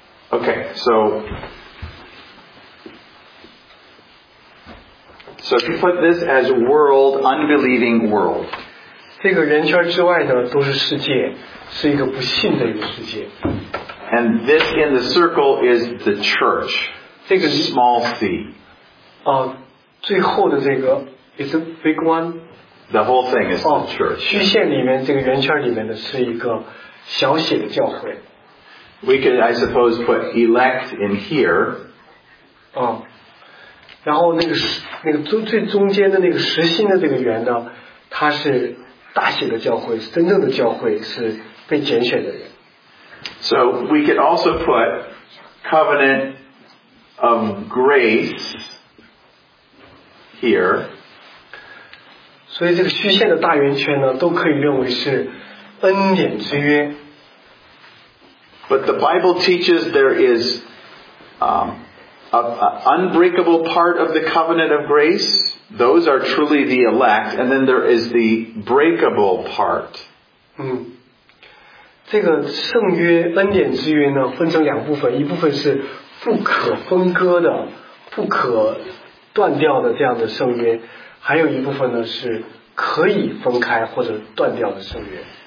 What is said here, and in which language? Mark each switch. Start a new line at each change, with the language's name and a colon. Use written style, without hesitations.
English: Okay, so if you put this as world, unbelieving world.
Chinese: 这个人圈之外呢，都是世界，是一个不信的一个世界。
English: And this in the circle is the church.
Chinese: 这个是
English: small c.
Chinese: 最后的这个
English: is a big one. The whole thing is the church.
Chinese: 虚线里面这个圆圈里面的是一个小写的教会。
English: We could, I suppose, put elect in here.
Chinese: 然后那个最中间的那个实心的这个圆呢，它是大写的教会，真正的教会是被拣选的人。
English: So we could also put covenant of grace here.
Chinese: 所以这个虚线的大圆圈呢，都可以认为是恩典之约。
English: But the Bible teaches there is a unbreakable part of the covenant of grace, those are truly the elect, and then there is the breakable part.
Chinese: 这个圣约恩典之约呢，分成两部分，一部分是不可分割的、不可断掉的这样的圣约，还有一部分呢是可以分开或者断掉的圣约。